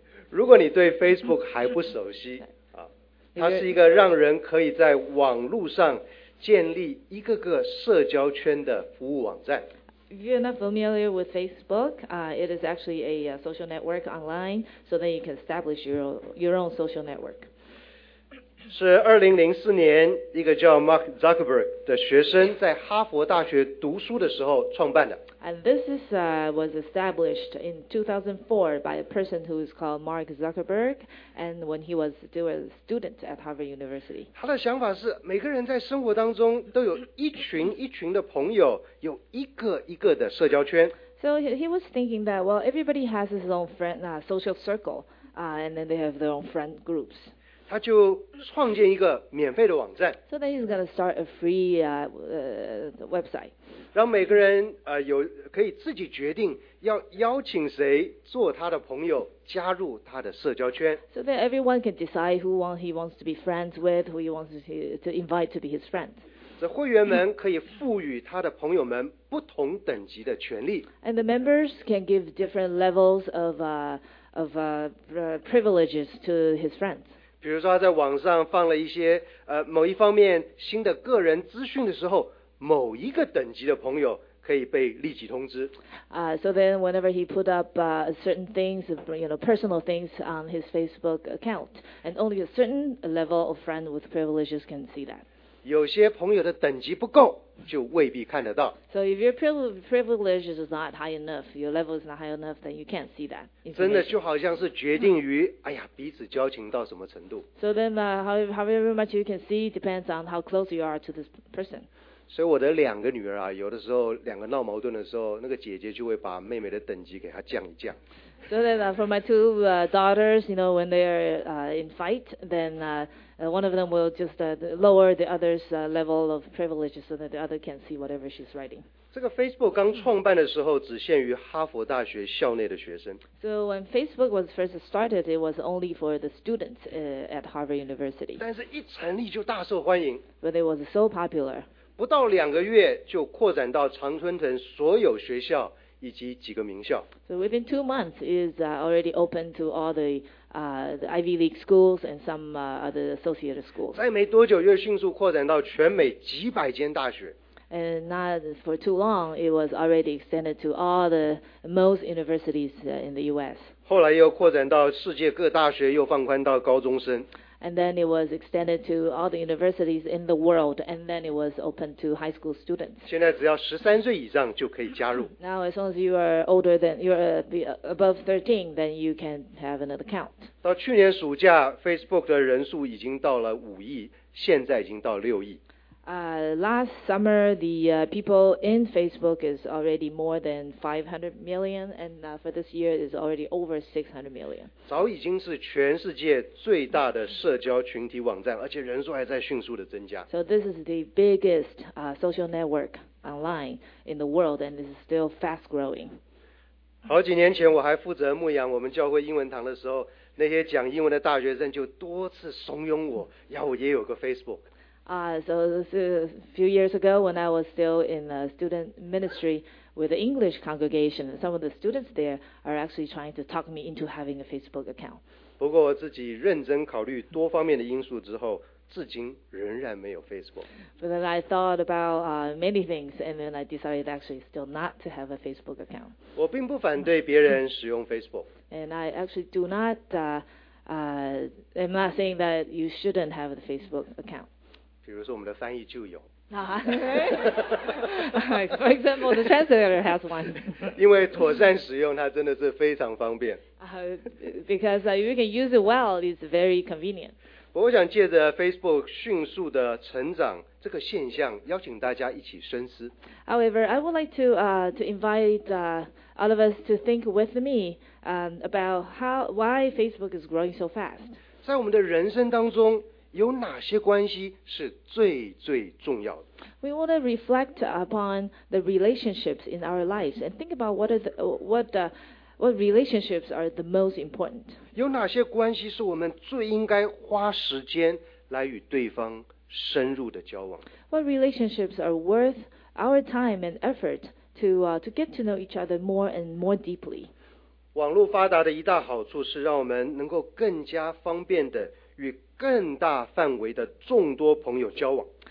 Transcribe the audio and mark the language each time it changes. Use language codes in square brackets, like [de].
[zh] 如果你对 Facebook 还不熟悉，它是一个让人可以在网路上建立一个个社交圈的服务网站。 [en] If you're not familiar with Facebook, it is actually a social network online, so that you can establish your own social network. [zh] 是2004年一个叫 Mark Zuckerberg 的学生在哈佛大学读书的时候创办的。 [en] And this is, was established in 2004 by a person who is called Mark Zuckerberg, and when he was still a student at Harvard University. [zh] 他的想法是每个人在生活当中都有一群一群的朋友，有一个一个的社交圈。 [en] So he was thinking that, well, everybody has his own friend, social circle, and then they have their own friend groups. [zh] 他就创建一个免费的网站。 [en] So then he's gonna start a free website. [zh] 让每个人有可以自己决定要邀请谁做他的朋友，加入他的社交圈。 [en] So that everyone can decide who he wants to be friends with, who he wants to invite to be his friend. [zh] 这会员们可以赋予他的朋友们不同等级的权利。 [en] And the members can give different levels of privileges to his friends. [zh] 比如说他在网上放了一些某一方面新的个人资讯的时候，某一个等级的朋友可以被立即通知。 [en] So then whenever he put up certain things, you know, personal things on his Facebook account, and only a certain level of friend with privileges can see that. [zh] 有些朋友的等级不够，就未必看得到。 [en] So if your privilege is not high enough, your level is not high enough, then you can't see that. [zh] 真的就好像是决定于，哎呀，彼此交情到什么程度。 [en] So then, however much you can see depends on how close you are to this person. [zh] 所以我的两个女儿啊，有的时候两个闹矛盾的时候，那个姐姐就会把妹妹的等级给她降一降。 [en] So then, for my two daughters, you know, when they are in fight, then one of them will just lower the other's level of privilege so that the other can see whatever she's writing. [zh] 这个 Facebook 刚创办的时候只限于哈佛大学校内的学生。 [en] So when Facebook was first started, it was only for the students at Harvard University. [zh] 但是一成立就大受欢迎。 [en] But it was so popular. [zh] 不到两个月就扩展到常春藤所有学校以及几个名校。 [en] So within 2 months, it is already open to all the Ivy League schools and some other associated schools. [zh] 再没多久又迅速扩展到全美几百间大学。 [en] And not for too long, it was already extended to all the most universities in the U.S. [zh] 后来又扩展到世界各大学，又放宽到高中生。 [en] And then it was extended to all the universities in the world, and then it was open to high school students. [zh] 现在只要13岁以上就可以加入。 [en] Now as long as you are older than, you are above 13, then you can have an account. [zh] 到去年暑假 ,Facebook 的人数已经到了5亿，现在已经到6亿。 [en] Last summer, the people in Facebook is already more than 500 million, and for this year, it's already over 600 million. [zh] 早已经是全世界最大的社交群体网站，而且人数还在迅速的增加。 [en] So this is the biggest social network online in the world and is still fast growing. [zh] 好几年前我还负责牧养我们教会英文堂的时候，那些讲英文的大学生就多次怂恿我，要我也有个 Facebook。 [en] So a few years ago when I was still in the student ministry with the English congregation, some of the students there are actually trying to talk me into having a Facebook account. [zh] 不过我自己认真考虑多方面的因素之后，至今仍然没有 Facebook. [en] But then I thought about many things, and then I decided actually still not to have a Facebook account. [zh] 我并不反对别人使用 Facebook. [en] And I actually do not, am not saying that you shouldn't have a Facebook account. [zh] 比如说我们的翻译就有。 [en] For example, the translator has one. [zh] 因为妥善使用它真的是非常方便。 [en] Because you can use it well, it's very convenient. [zh] 我想借着 Facebook 迅速的成长这个现象，邀请大家一起深思。 [en] However, I would like to invite all of us to think with me about why Facebook is growing so fast. [zh] 在我们的人生当中，有哪些关系是最最重要的？ [en] We want to reflect upon the relationships in our lives and think about what relationships are the most important? [zh] 有哪些关系是我们最应该花时间来与对方深入的交往？ [en] What relationships are worth our time and effort to get to know each other more and more deeply? [zh] 网络发达的一大好处是让我们能够更加方便的与更大范围的众多朋友交往。